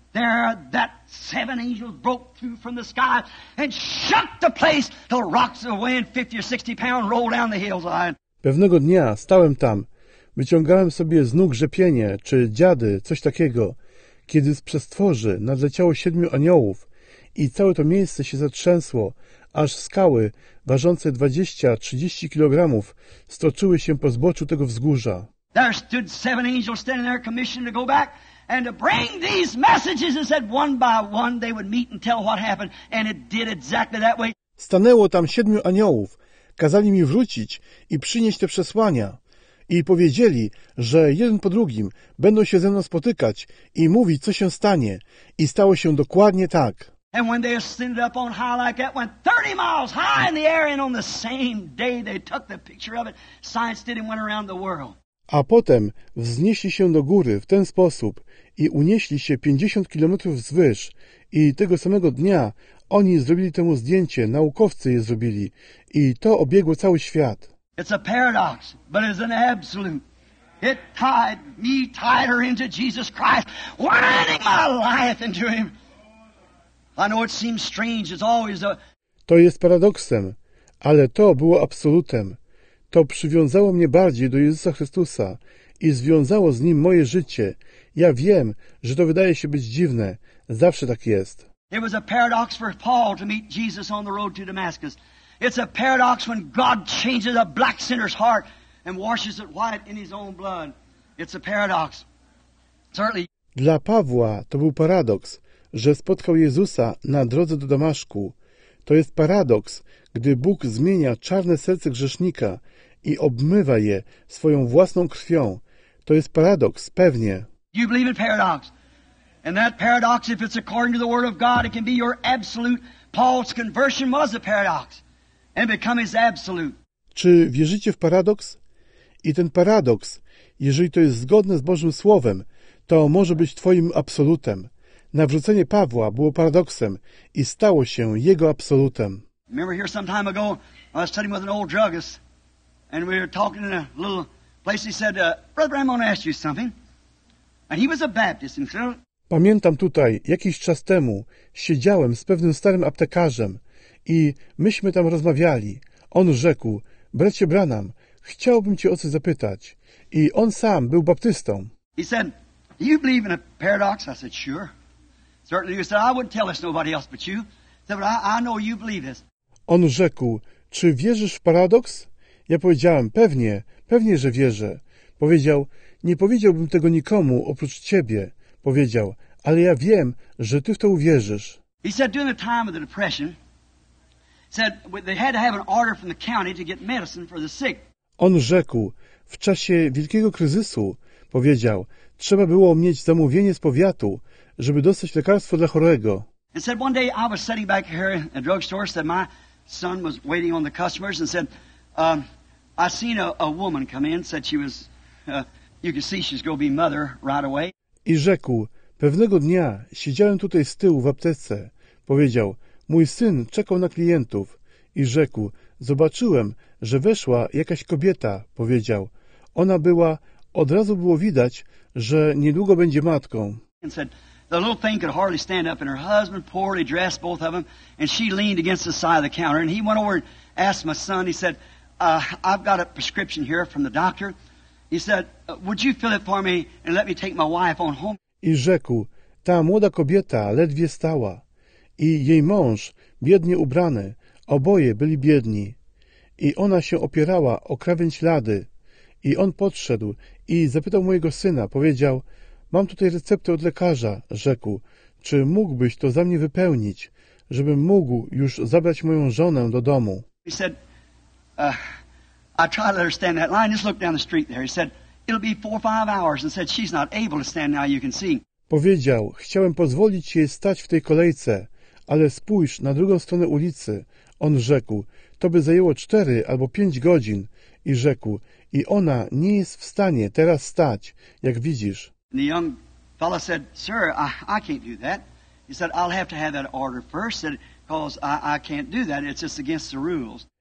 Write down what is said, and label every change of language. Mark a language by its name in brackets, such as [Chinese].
[English] There, that seven angels broke through from the sky and shook the place till rocks weighing 50 or 60 pounds roll down the hillside. [Polish] Pewnego dnia stałem tam. Wyciągałem sobie z nóg rzepienie, czy dziady, coś takiego, kiedy z przestworzy nadleciało siedmiu aniołów i całe to miejsce się zatrzęsło, aż skały ważące 20-30 kilogramów stoczyły się po zboczu tego wzgórza. [English] There stood seven angels standing there commissioned to go back, and to bring these messages and said one by one they would meet and tell what happened and it did exactly that way. [Polish] Stanęło tam siedmiu aniołów. Kazali mi wrócić i przynieść te przesłania. I powiedzieli, że jeden po drugim będą się ze mną spotykać i mówić, co się stanie. I stało się dokładnie tak. [English] And when they ascended up on high like that, went 30 miles high in the air, and on the same day they took the picture of it, science did and went around the world. [Polish] A potem wznieśli się do góry w ten sposób i unieśli się 50 kilometrów wzwyż i tego samego dnia oni zrobili temu zdjęcie, naukowcy je zrobili i to obiegło cały świat. [English] It's a paradox, but it's an absolute. It tied me tighter into Jesus Christ, winding my life into him. I know it seems strange, it's always a... [Polish] To jest paradoksem, ale to było absolutem. To przywiązało mnie bardziej do Jezusa Chrystusa i związało z Nim moje życie. Ja wiem, że to wydaje się być dziwne. Zawsze tak jest. [English] It was a paradox for Paul to meet Jesus on the road to Damascus. It's a paradox when God changes a black sinner's heart and washes it white in his own blood. It's a paradox. Certainly. [Polish] Dla Pawła to był paradoks, że spotkał Jezusa na drodze do Damaszku. To jest paradoks, gdy Bóg zmienia czarne serce grzesznika i obmywa je swoją własną krwią. To jest paradoks, pewnie. [English] You believe in paradox. And that paradox, if it's according to the word of God, it can be your absolute. Paul's conversion was a paradox. And become his absolute. [Polish] Czy wierzycie w paradoks? I ten paradoks, jeżeli to jest zgodne z Bożym Słowem, to może być twoim absolutem. Nawrócenie Pawła było paradoksem i stało się jego absolutem. [English] Remember here some time ago, I was studying with an old druggist, and we were talking in a little place. He said, "Brother, I'm going to ask you something." And he was a Baptist, and so. [Polish] Pamiętam tutaj, jakiś czas temu siedziałem z pewnym starym aptekarzem i myśmy tam rozmawiali. On rzekł: "Bracie Branham, chciałbym cię o coś zapytać." I on sam był baptystą. [English] He said, "Do you believe in a paradox?" I said, "Sure." Certainly, he said, "I wouldn't tell us nobody else but you." He said, "But I know you believe this." [Polish] On rzekł: "Czy wierzysz w paradoks?" Ja powiedziałem: "Pewnie, pewnie, że wierzę." Powiedział: "Nie powiedziałbym tego nikomu oprócz ciebie." Powiedział: "Ale ja wiem, że ty w to uwierzysz." [English] He said, during the time of the depression, said they had to have an order from the county to get medicine for the sick. [Polish] On rzekł: "W czasie wielkiego kryzysu," powiedział, "trzeba było mieć zamówienie z powiatu, żeby dostać lekarstwo dla chorego." [English] He said, "One day I was sitting back here in a drugstore, said my son was waiting on the customers, and said, I seen a woman come in, said she was, you can see she's going to be mother right away." [Polish] I rzekł: "Pewnego dnia siedziałem tutaj z tyłu w aptece." Powiedział: "Mój syn czekał na klientów." I rzekł: "Zobaczyłem, że weszła jakaś kobieta." Powiedział: "Ona była, od razu było widać, że niedługo będzie matką." [English] And said, the little thing could hardly stand up, and her husband poorly dressed, both of them, and she leaned against the side of the counter, and he went over and asked my son, he said, I've got a prescription here from the doctor. He said, would you fill it for me and let me take my wife on home? [Polish] I rzekł: "Ta młoda kobieta ledwie stała i jej mąż, biednie ubrany, oboje byli biedni. I ona się opierała o krawędź lady. I on podszedł i zapytał mojego syna, powiedział: mam tutaj receptę od lekarza, rzekł. Czy mógłbyś to za mnie wypełnić, żebym mógł już zabrać moją żonę do domu?" [English] He said, I try to understand that line. Just look down the street there. He said, it'll be 4 or 5 hours. And said, she's not able to stand now, you can see. [Polish] Powiedział: "Chciałem pozwolić jej stać w tej kolejce, ale spójrz na drugą stronę ulicy." On rzekł: "To by zajęło 4 albo 5 godzin. I rzekł: "I ona nie jest w stanie teraz stać, jak widzisz." [English] And the young fellow said, "Sir, I can't do that." He said, "I'll have to have that order first, because I can't do that. It's just against the rules."